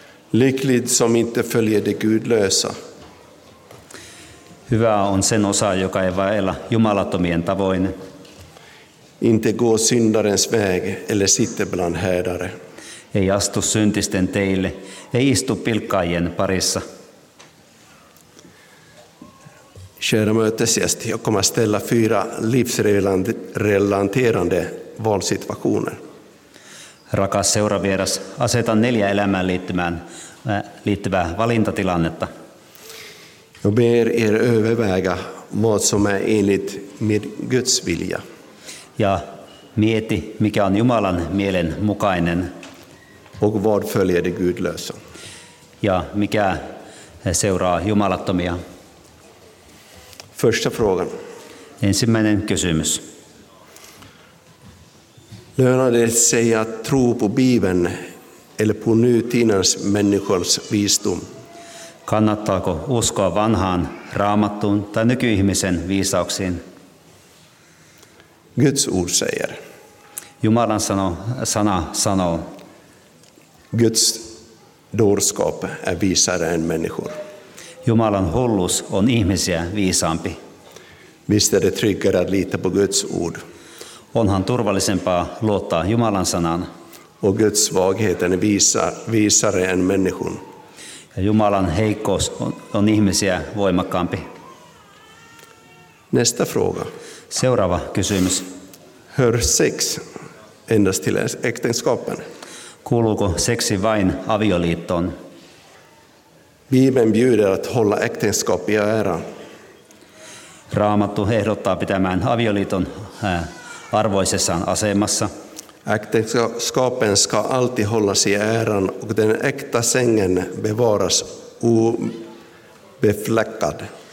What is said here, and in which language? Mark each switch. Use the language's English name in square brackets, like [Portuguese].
[Swedish] Lycklig som inte följer det gudlösa. [Finnish] Hyvä on sen osa, joka ei vaella jumalattomien tavoin. [Swedish] Inte gå syndarens väg eller sitter bland härdare. [Finnish] Ei astu syntisten teille, ei istu pilkkaajien parissa. [Swedish] Kära mötesgäst, jag kommer ställa 4 livsrelaterande valsituationer. [Finnish] Rakas seuravieras, asetan 4 elämään liittyvää valintatilannetta. [Swedish] Jag ber er överväga vad som är enligt med Guds vilja. [Finnish] Ja mieti, mikä on Jumalan mielen mukainen. [Swedish] Och vad följer det gudlösa. [Finnish] Ja mikä seuraa jumalattomia. [Swedish] Första frågan. [Finnish] Ensimmäinen kysymys. [Swedish] Lönar det sig att tro på Bibeln eller på nutidens människors visdom? [Finnish] Kannattaako uskoa vanhaan Raamattuun tai nykyihmisen viisauksiin? [Swedish] Guds ord säger. [Finnish] Jumalan sana sanoo. [Swedish] Guds dårskap är visare än människor. [Finnish] Jumalan hullus on ihmisiä viisaampi. [Swedish] Visst är det tryggare att lita på Guds ord. [Finnish] Onhan turvallisempaa luottaa Jumalan sanaan. [Swedish] Och Guds svagheten är visare än människor. [Finnish] Ja Jumalan heikkous on ihmisiä voimakkaampi. [Swedish] Nästa fråga. [Finnish] Seuraava kysymys. [Swedish] Hör sex endast till äktenskapen. [Finnish] Kuuluuko seksi vain avioliittoon? [Swedish] Bibeln bjuder att hålla äktenskap i ära. [Finnish] Raamattu ehdottaa pitämään avioliiton arvoisessaan asemassa. [Swedish] Äktenskapen ska alltid hållas i äran och den äkta sängen bevaras obefläckad.